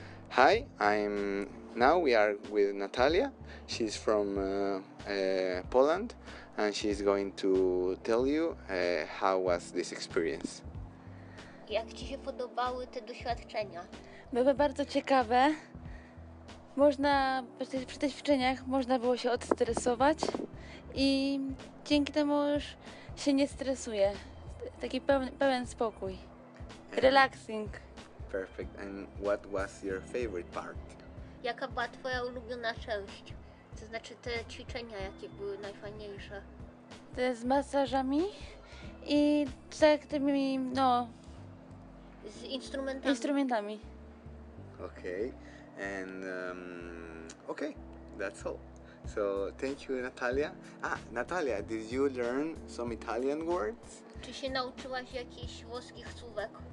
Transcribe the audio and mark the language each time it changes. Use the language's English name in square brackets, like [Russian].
[English] Hi, I'm now we are with Natalia. She's from Poland, and she's going to tell you how was this experience. [Polish] Jak ci się podobały te doświadczenia? Były bardzo ciekawe. Można przy tych doświadczeniach można było się odstresować i dzięki temu już się nie stresuje. Taki pełen spokój. Relaxing. [English] Perfect. And what was your favorite part? [Polish] Jaka była twoja ulubiona część? To znaczy te ćwiczenia, jakie były najfajniejsze? Te z masażami i tak tymi, no... Z instrumentami. Instrumentami. [English] Okay. And okay, that's all. So thank you, Natalia. Ah, Natalia, did you learn some Italian words? [Polish] Czy się nauczyłaś jakichś włoskich słówek?